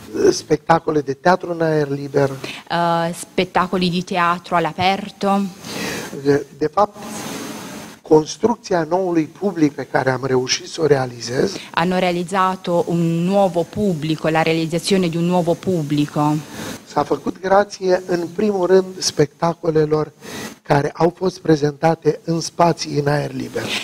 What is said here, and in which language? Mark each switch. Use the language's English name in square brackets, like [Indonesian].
[Romanian] Spettacole de teatru în aer liber. [Italian] Spettacoli di teatro all'aperto. [Romanian] De fapt, construcția noului public pe care am reușit să o realizez. [Italian] Hanno realizzato un nuovo pubblico, la realizzazione di un nuovo pubblico. [Romanian] S-a făcut grație în primul rând spettacolelor care au fost prezentate în spații în aer liber.